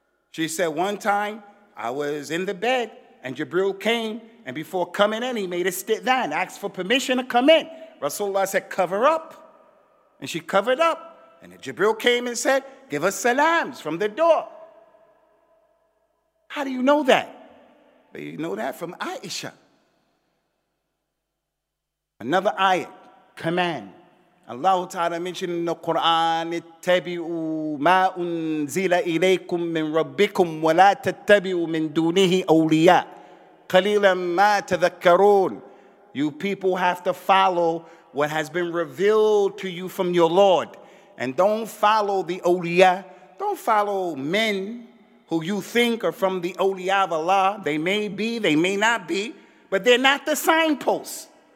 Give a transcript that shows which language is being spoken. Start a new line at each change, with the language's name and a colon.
English: She said, one time I was in the bed and Jibril came, and before coming in, he made a stidhan, asked for permission to come in. Rasulullah said, cover up. And she covered up. And then Jibril came and said, give us salams from the door. How do you know that? But you know that from Aisha. Another ayat, command. Allah Ta'ala mentioned in the Quran,
Arabic: اتبعوا ما أنزل إليكم من ربكم ولا تتبعوا من دونه أولياء قليلا ما تذكرون.
English: You people have to follow what has been revealed to you from your Lord. And don't follow the awliya. Don't follow men who you think are from the awliya of Allah. They may be, they may not be, but they're not the signposts.